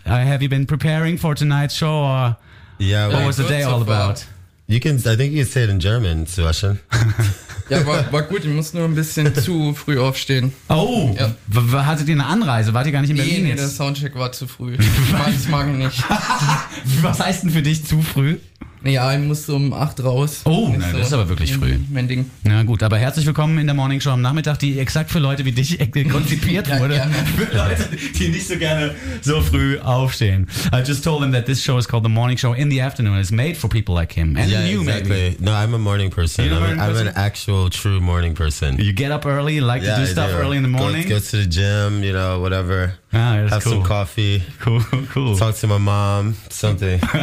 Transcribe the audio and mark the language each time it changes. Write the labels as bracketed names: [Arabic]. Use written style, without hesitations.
[English] Have you been preparing for tonight's show or yeah, what was the day all about? You can, I think you can say it in German, Sebastian. [German] Ja, war gut, ich muss nur ein bisschen zu früh aufstehen. Oh, ja. Hattet ihr eine Anreise? Wart ihr gar nicht in Berlin? Nee, der Soundcheck war zu früh. Ich mag ihn nicht. Was heißt denn für dich zu früh? Ja, ich musste um 8 raus. Oh, nein, das ist aber wirklich früh. Mein Ding. Na gut, aber herzlich willkommen in der Morning Show am Nachmittag, die exakt für Leute wie dich konzipiert wurde. Ja, für Leute, die nicht so gerne so früh aufstehen. [English] I just told them that this show is called the Morning Show in the afternoon. It's made for people like him. And yeah, you, exactly. Maybe. No, I'm a morning person. I'm an actual true morning person. You get up early, like yeah, to do stuff do. Early in the morning. Go to the gym, you know, whatever. Ah, that's have cool. Some coffee. Cool, cool. Talk to my mom, something.